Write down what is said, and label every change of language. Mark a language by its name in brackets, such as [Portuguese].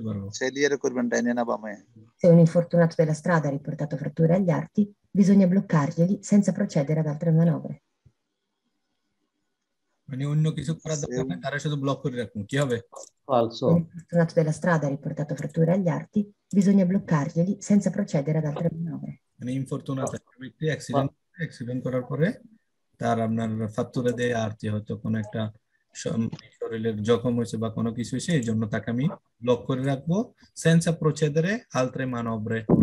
[Italian] Se un infortunato della strada ha riportato fratture agli arti, bisogna bloccarglieli senza procedere ad altre manovre. [Bangla] মানে অন্য কিছু করার দরকার নেই তারা শুধু ব্লক করে রাখুন কি হবে [Italian] ফালসো infortunato della strada ha riportato fratture agli arti bisogna bloccarglieli senza procedere ad altre manovre [Bangla] মানে infortunato accident করার পরে তার আপনার [Italian] fatture dei arti [Bangla] হয়তো কোন একটা শরীরের জখম হয়েছে বা কোনো কিছু হয়েছে এজন্য তাকে আমি ব্লক করে রাখব [Italian] senza procedere altre manovre